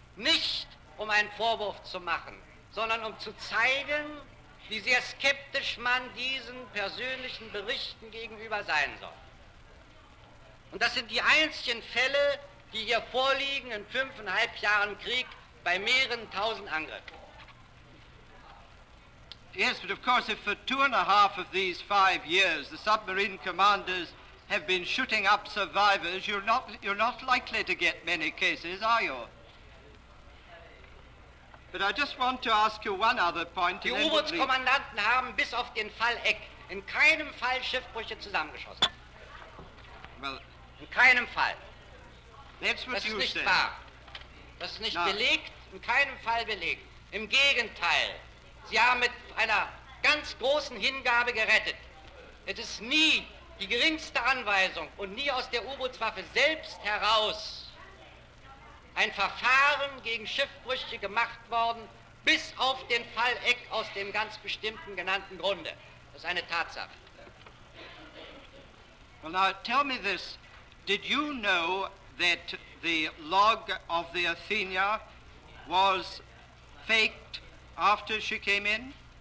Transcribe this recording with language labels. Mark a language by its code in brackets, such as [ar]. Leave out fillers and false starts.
[de] Nicht, um einen Vorwurf zu machen, sondern um zu zeigen, wie sehr skeptisch man diesen persönlichen Berichten gegenüber sein soll. Und das sind die einzigen Fälle, die hier vorliegen in 5,5 Jahren Krieg bei mehreren tausend Angriffen. [en] Yes, but of course, if for 2.5 of these 5 years the submarine commanders have been shooting up survivors, you're not likely to get many cases, are you? But I just want to ask you one other point. [de] Die U-Boot-Kommandanten haben bis auf den Fall Eck in keinem Fall Schiffbrüche zusammengeschossen. [en] Well, [de] in keinem Fall. [en] That's what you said. [de] Das ist nicht belegt, in keinem Fall belegt. Im Gegenteil. Sie haben mit einer ganz großen Hingabe gerettet. Es ist nie die geringste Anweisung und nie aus der U-Bootswaffe selbst heraus ein Verfahren gegen Schiffbrüche gemacht worden, bis auf den Fall Eck aus dem ganz bestimmten genannten Grunde. Das ist eine Tatsache. [en] Well now, tell me this. Did you know that the log of the Athenia was faked after she came in?